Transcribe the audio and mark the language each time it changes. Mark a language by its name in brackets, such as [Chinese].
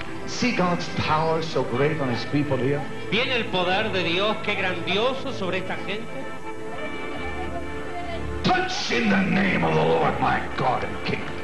[English] See God's power so great on His people here. [Spanish] Viene el poder de Dios, qué grandioso sobre esta gente. [English] Touch in the name of the Lord, my God and King.